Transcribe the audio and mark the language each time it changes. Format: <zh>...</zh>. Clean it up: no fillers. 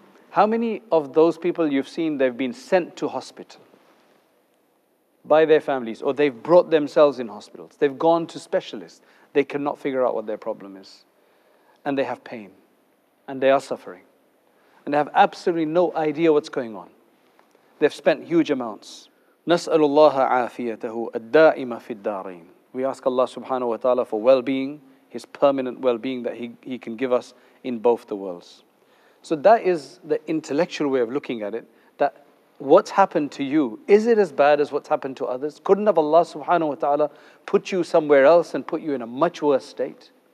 <en>How many of those people you've seen, they've been sent to hospital by their families, or they've brought themselves in hospitals? They've gone to specialists. They cannot figure out what their problem is. And they have pain. And they are suffering. And they have absolutely no idea what's going on. They've spent huge amounts.</en> <ar>نسأل الله عافيته الدائمة في الدارين.</ar> <en>We ask Allah subhanahu wa ta'ala for well-being, His permanent well-being that He can give us in both the worlds. So that is the intellectual way of looking at it, that what's happened to you, is it as bad as what's happened to others? Couldn't have Allah subhanahu wa ta'ala put you somewhere else and put you in a much worse state?</en>